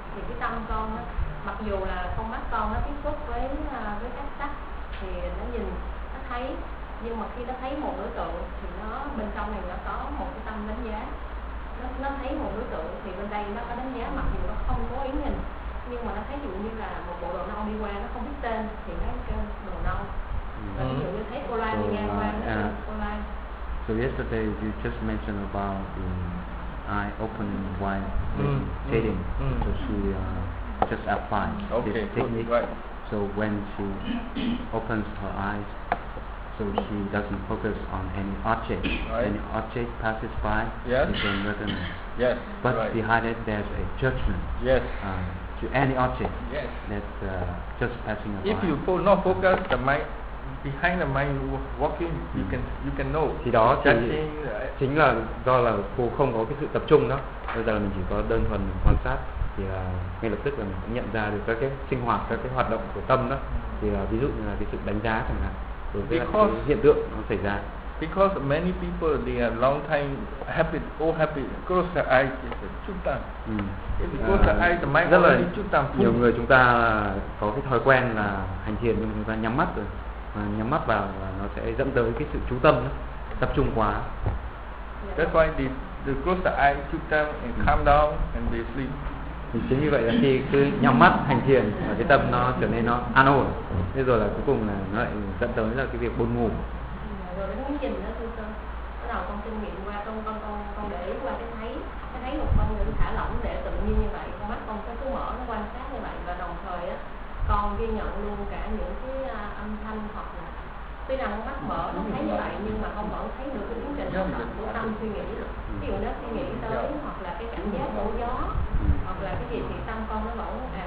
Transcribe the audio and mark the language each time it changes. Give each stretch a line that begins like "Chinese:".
Vietnamese: Thì cái tâm con á, mặc dù là con mắt con nó tiếp xúc với các sắc thì nó nhìn nó thấy, nhưng mà khi nó thấy một đối tượng thì nó bên trong này nó có một cái tâm đánh giá, nó thấy một đối tượng thì bên đây nó có đánh giá, mặc dù nó không có ý nhìn, nhưng mà nó thấy dụ như là một bộ đồ nâu đi qua, nó không biết tên thì nó kêu đồ nâu. Ví dụ như thấy cô Lan đi ngang qua, nó kêu cô Lan.
English: So yesterday you just mentioned about the eye opening wide trading, so she just applied this technique, right. So when she opens her eyes, so she doesn't focus on any object. Right. Any object passes by, yes. She can recognize. Yes. But right. Behind it, there's a judgment. Yes. To any object. Yes. That's just passing by. If you not focus the mind, behind the mind walking, you can know.
Vietnamese: Thì đó chính là do là cô không có cái sự tập trung đó. Bây giờ là mình chỉ có đơn thuần quan sát. Thì ngay lập tức là mình cũng nhận ra được các cái sinh hoạt, các cái hoạt động của tâm đó. Thì ví dụ như là cái sự đánh giá chẳng hạn.
English: Because
Vietnamese: hiện tượng nó xảy ra.
English: Because many people they are long time habit, old habit. Close the eye is a chuttan. Close the eye, the mind only chuttan.
Vietnamese: Nhiều người chúng ta có cái thói quen là hành thiền nhưng chúng ta nhắm mắt rồi. Và nhắm mắt vào là nó sẽ dẫn tới cái sự chú tâm, tập trung quá.
English: That's why they close the eye, chuttan and calm down and they sleep.
Vietnamese: Thì chính như vậy là khi cứ nhắm mắt hành thiền và cái tâm nó trở nên nó an ổn, thế rồi là cuối cùng là nó lại dẫn tới là cái việc buồn ngủ. Rồi nó muốn nhìn nữa, thưa sư, bắt đầu con kinh nghiệm qua con để ý qua cái thấy một con người thả lỏng để tự nhiên như vậy, con mắt con sẽ cứ mở nó quan sát như vậy, và đồng thời á con ghi nhận luôn cả những cái âm thanh, hoặc là tuy rằng con mắt mở nó thấy như vậy nhưng mà con vẫn thấy được cái tiến trình hoạt động của tâm suy nghĩ, ví dụ nó suy nghĩ tới hoặc là cái cảm giác của gió hoặc là cái gì thì tâm con nó vẫn